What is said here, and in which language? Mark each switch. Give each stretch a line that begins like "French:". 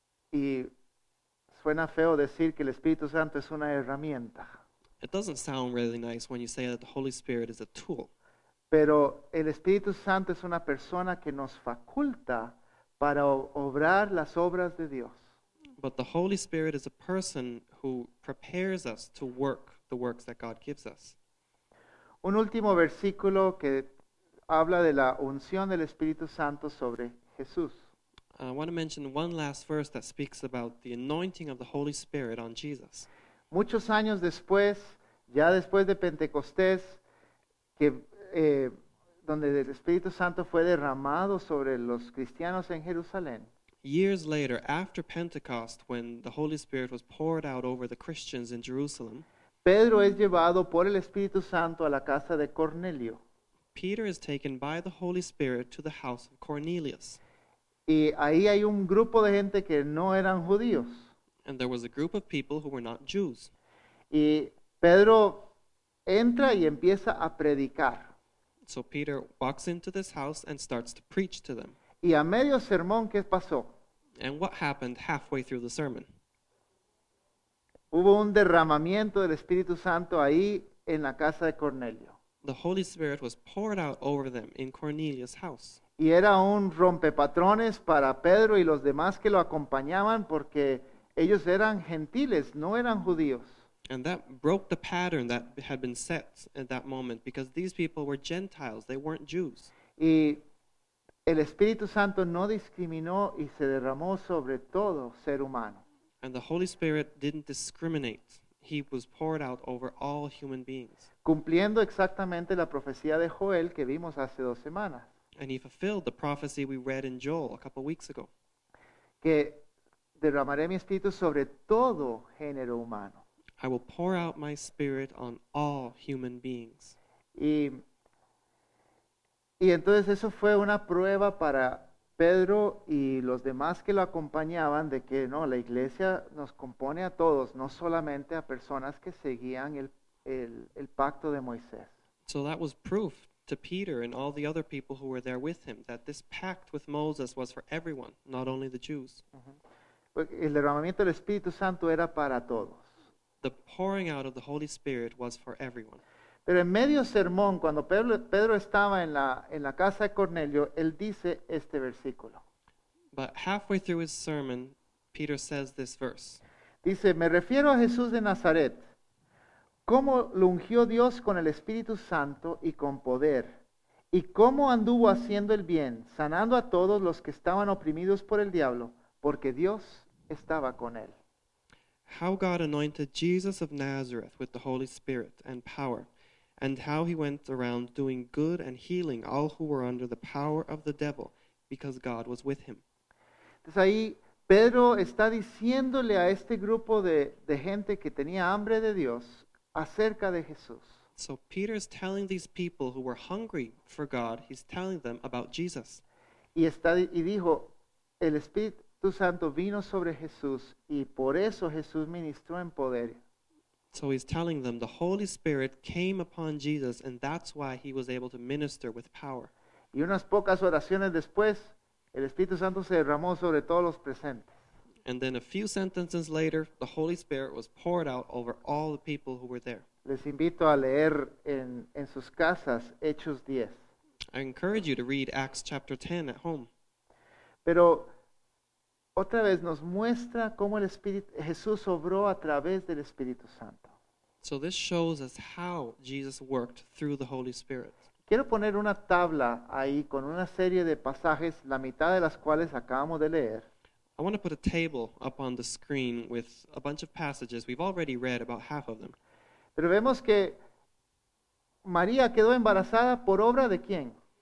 Spanish: Y suena feo decir que el Espíritu Santo es una herramienta.
English: It doesn't sound really nice when you say that the Holy Spirit is a tool.
Spanish: Pero el Espíritu Santo es una persona que nos faculta para obrar las obras de Dios.
English: But the Holy Spirit is a person who prepares us to work the works that God gives us.
Spanish: Un último versículo que habla de la unción del Espíritu Santo sobre Jesús.
English: I want to mention one last verse that speaks about the anointing of the Holy Spirit on Jesus.
Spanish: Muchos años después, ya después de Pentecostés, donde el Espíritu Santo fue derramado sobre los cristianos en Jerusalén.
English: Years later, after Pentecost, when the Holy Spirit was poured out over the Christians in Jerusalem,
Spanish: Pedro es llevado por el Espíritu Santo a la casa de Cornelio.
English: Peter is taken by the Holy Spirit to the house of Cornelius.
Spanish: Y ahí hay un grupo de gente que no eran judíos.
English: And there was a group of people who were not Jews.
Spanish: Y Pedro entra y empieza a predicar.
English: So Peter walks into this house and starts to preach to them.
Spanish: Y a medio sermón, ¿qué pasó?
English: And what happened halfway through the sermon?
Spanish: Hubo un derramamiento del Espíritu Santo ahí en la casa de Cornelio.
English: The Holy Spirit was poured out over them in Cornelius' house.
Spanish: Y era un rompepatrones para Pedro y los demás que lo acompañaban porque ellos eran gentiles, no eran judíos.
English: And that broke the pattern that had been set at that moment because these people were Gentiles, they weren't Jews.
Spanish: Y el Espíritu Santo no discriminó y se derramó sobre todo ser humano.
English: And the Holy Spirit didn't discriminate. He was poured out over all human beings.
Spanish: Cumpliendo exactamente la profecía de Joel que vimos hace dos semanas.
English: And he fulfilled the prophecy we read in Joel a couple weeks ago.
Spanish: Que derramaré mi Espíritu sobre todo género humano.
English: I will pour out my Spirit on all human beings.
Spanish: Y entonces eso fue una prueba para Pedro y los demás que lo acompañaban de que no, la iglesia nos compone a todos, no solamente a personas que seguían el pacto de Moisés.
English: So that was proof to Peter and all the other people who were there with him that this pact with Moses was for everyone, not only the Jews.
Spanish: Uh-huh. El derramamiento del Espíritu Santo era para todos.
English: The pouring out of the Holy Spirit was for everyone.
Spanish: Pero en medio sermón, cuando Pedro estaba en la casa de Cornelio, él dice este versículo.
English: But halfway through his sermon, Peter says this verse.
Spanish: Dice, me refiero a Jesús de Nazaret, cómo lo ungió Dios con el Espíritu Santo y con poder, y cómo anduvo haciendo el bien, sanando a todos los que estaban oprimidos por el diablo, porque Dios estaba con él.
English: How God anointed Jesus of Nazareth with the Holy Spirit and power, and how he went around doing good and healing all who were under the power of the devil, because God was with him.
Spanish: Entonces ahí Pedro está diciéndole a este grupo de gente que tenía hambre de Dios acerca de Jesús.
English: So Peter is telling these people who were hungry for God, he's telling them about Jesus.
Spanish: Y dijo, el Espíritu Santo vino sobre Jesús y por eso Jesús ministró en poder.
English: So he's telling them the Holy Spirit came upon Jesus and that's why he was able to minister with power.
Spanish: Y unas pocas oraciones después, el Espíritu Santo se derramó sobre todos los presentes.
English: And then a few sentences later, the Holy Spirit was poured out over all the people who were there.
Spanish: Les invito a leer en sus casas Hechos 10.
English: I encourage you to read Acts chapter 10 at home.
Spanish: Pero otra vez nos muestra cómo el Espíritu, Jesús obró a través del Espíritu Santo.
English: So this shows us how Jesus worked through the Holy Spirit.
Spanish: Quiero poner una tabla ahí con una serie de pasajes, la mitad de las cuales acabamos de leer.
English: I want to put a table up on the screen with a bunch of passages. We've already read about half of them.
Spanish: Pero vemos que María quedó embarazada por obra de quién.